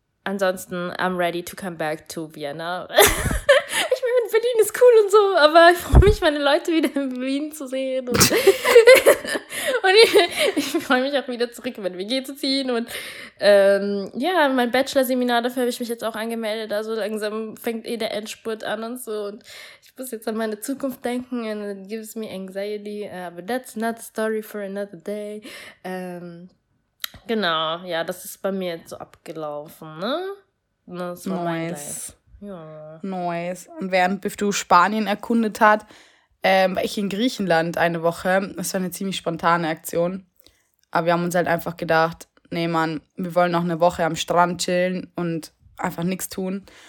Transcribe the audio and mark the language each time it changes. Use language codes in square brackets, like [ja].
[en] Ansonsten, I'm ready to come back to Vienna. [de] Ich meine, Berlin ist cool und so, aber ich freue mich, meine Leute wieder in Wien zu sehen. Und Und ich freue mich auch wieder zurück in meine WG zu ziehen. Und ja, mein Bachelor-Seminar, dafür habe ich mich jetzt auch angemeldet. Also langsam fängt eh der Endspurt an und so. Und ich muss jetzt an meine Zukunft denken [en] and it gives me anxiety. But that's not a story for another day. [de] Genau, ja, das ist bei mir jetzt so abgelaufen, ne? Das war nice. Ja. Nice. Und während Biftu Spanien erkundet hat, war ich in Griechenland eine Woche. Das war eine ziemlich spontane Aktion. Aber wir haben uns halt einfach gedacht, nee, Mann, wir wollen noch eine Woche am Strand chillen und einfach nichts tun.